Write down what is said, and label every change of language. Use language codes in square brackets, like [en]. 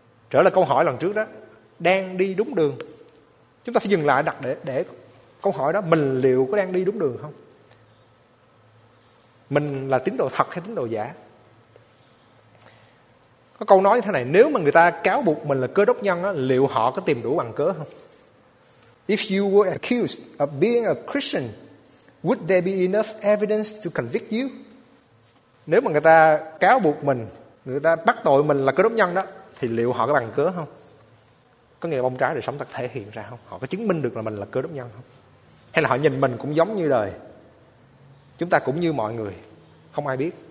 [vi] Trở lại câu hỏi lần trước đó, đang đi đúng đường. Chúng ta phải dừng lại đặt để câu hỏi đó, mình liệu có đang đi đúng đường không? Mình là tín đồ thật hay tín đồ giả? Có câu nói như thế này: nếu mà người ta cáo buộc mình là cơ đốc nhân đó, liệu họ có tìm đủ bằng cớ không? [en] If you were accused of being a Christian, would there be enough evidence to convict you? [vi] Nếu mà người ta cáo buộc mình, người ta bắt tội mình là cơ đốc nhân đó, thì liệu họ có bằng cớ không? Có nghĩa là bông trái đời sống ta thể hiện ra không? Họ có chứng minh được là mình là cơ đốc nhân không? Hay là họ nhìn mình cũng giống như đời? Chúng ta cũng như mọi người, không ai biết.